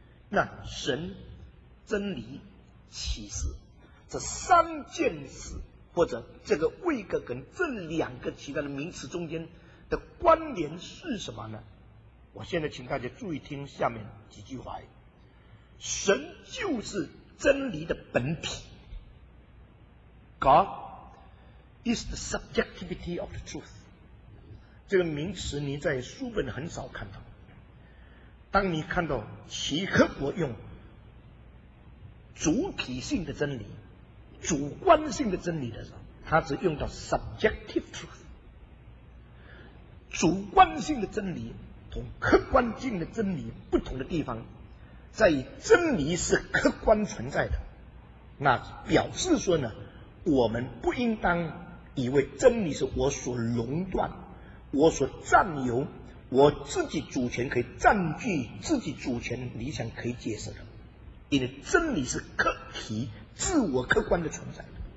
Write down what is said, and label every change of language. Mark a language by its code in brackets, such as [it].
[zh] 那神、真理、启示这三件事，或者这个位格跟这两个其他的名词中间的关联是什么呢？我现在请大家注意听下面几句话。神就是真理的本体。 [en] God is the subjectivity of the truth， [zh] 这个名词你在书本很少看到。当你看到齐克国用主体性的真理、主观性的真理的时候，他只用到 subjective truth。主观性的真理从客观性的真理不同的地方，在于真理是客观存在的，那表示说呢，我们不应当以为真理是我所垄断、我所占有、我自己主权可以占据、自己主权理想可以解释的，因为真理是客体、自我客观的存在的。